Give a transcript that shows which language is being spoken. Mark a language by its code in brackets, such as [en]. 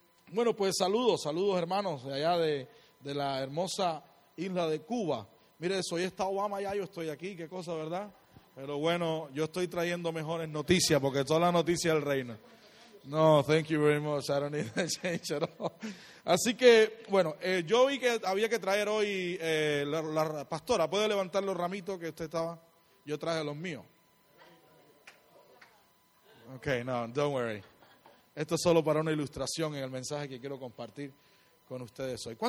[es] Bueno, pues saludos hermanos de allá de la hermosa isla de Cuba. Mire eso, hoy está Obama ya, yo estoy aquí, qué cosa, ¿verdad? Pero bueno, yo estoy trayendo mejores noticias, porque toda la noticia del reino. [en] No, thank you very much, I don't need to change at all. [es] Así que, bueno, yo vi que había que traer hoy, la pastora, ¿puede levantar los ramitos que usted estaba? Yo traje los míos. [en] Okay, no, don't worry. [es] Esto es solo para una ilustración en el mensaje que quiero compartir con ustedes hoy.